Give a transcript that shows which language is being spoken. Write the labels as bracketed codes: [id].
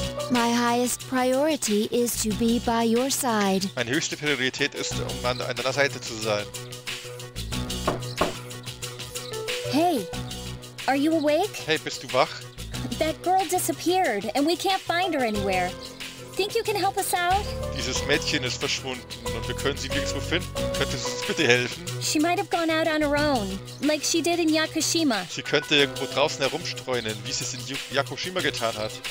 [en] My highest priority is to be by your side. [de] Meine höchste Priorität ist, um an deiner Seite zu sein. [en] Hey, are you awake? [de] Hey, bist du wach? [en] That girl disappeared and we can't find her anywhere. Think you can help us out? [de] Dieses Mädchen ist verschwunden und wir können sie nirgendwo finden. Könntest du uns bitte helfen? [en] She might have gone out on her own, like she did in Yakushima. [de] Sie könnte irgendwo draußen herumstreunen, wie sie es in Yakushima getan hat.